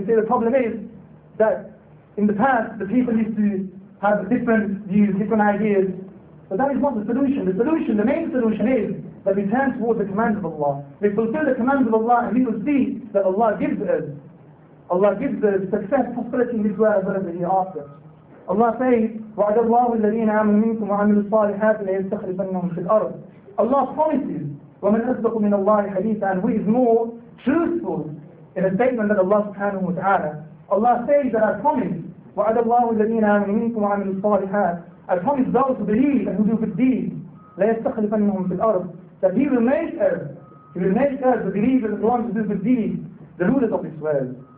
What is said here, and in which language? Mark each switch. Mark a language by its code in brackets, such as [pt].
[en] We say the problem is that in the past, the people used to have different views, different ideas. But that is not the solution. The solution, the main solution is that we turn towards the commands of Allah. We fulfill the commands of Allah and we will see that Allah gives us. Allah gives us success, prosperity in this world as well as the hereafter. [ar] Allah says, وَعَدَ اللَّهُ الَّذِينَ آمَنُوا مِنْكُمْ وَعَمِلُوا الصَّالِحَاتِ لَيَسْتَخْلِفَنَّهُمْ فِي الْأَرْضِ. [en] Allah promises, وَمَنْ أَصْدَقُ مِنَ اللَّهِ حَدِيثًا, and who is more truthful in a statement that Allah subhanahu wa ta'ala. Allah says that I promise, وَعَدَ اللَّهُ الَّذِينَ آمَنُوا مِنْكُمْ وَعَمِلُوا الصَّالِحَاتِ, I promise those who believe and who do good deeds, لَيَسْتَخْلِفَنَّهُمْ فِي الْأَرْضِ, that He will make us, He will make us, the believers and the ones who do good deeds, the rulers of this world.